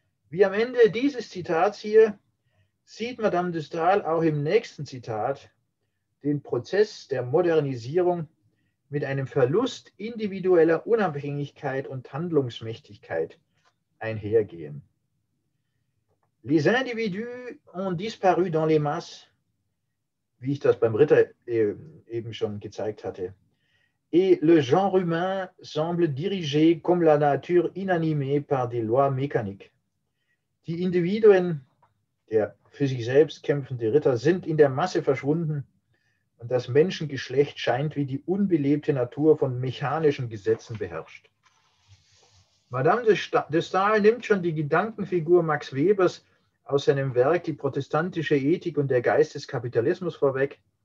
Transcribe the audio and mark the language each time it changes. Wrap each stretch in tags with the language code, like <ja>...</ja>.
<de>Wie am Ende dieses Zitats hier, sieht Madame de Staël auch im nächsten Zitat den Prozess der Modernisierung mit einem Verlust individueller Unabhängigkeit und Handlungsmächtigkeit einhergehen.</de> <fr>Les individus ont disparu dans les masses,</fr> <de>wie ich das beim Ritter eben schon gezeigt hatte.</de> <fr>Et le genre humain semble dirigé comme la nature inanimée par des lois mécaniques.</fr> <de>Die Individuen, der für sich selbst kämpfende Ritter, sind in der Masse verschwunden und das Menschengeschlecht scheint wie die unbelebte Natur von mechanischen Gesetzen beherrscht. Madame de Staël nimmt schon die Gedankenfigur Max Webers aus seinem Werk Die protestantische Ethik und der Geist des Kapitalismus vorweg.</de>